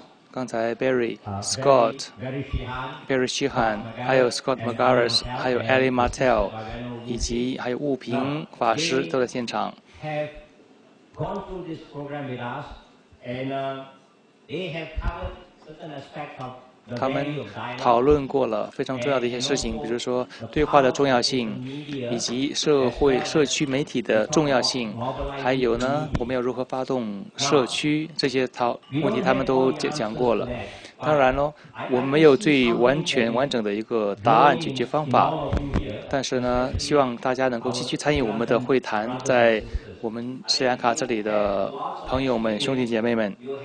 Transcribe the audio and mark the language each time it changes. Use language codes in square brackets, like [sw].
[zh] 刚才 Barry Scott, Barry Sheehan, 还有 Scott McGarris, 还有 Ali Martel, 以及还有物品法师都在现场。 [en] Gone through this program with us, and they have covered certain aspects of [zh] 他们讨论过了非常重要的一些事情，比如说对话的重要性，以及社会社区媒体的重要性，还有呢，我们要如何发动社区这些问题，他们都讲过了。当然喽，我们没有最完整的一个答案解决方法，但是呢，希望大家能够继续参与我们的会谈，在我们斯里兰卡这里的朋友们、兄弟姐妹们。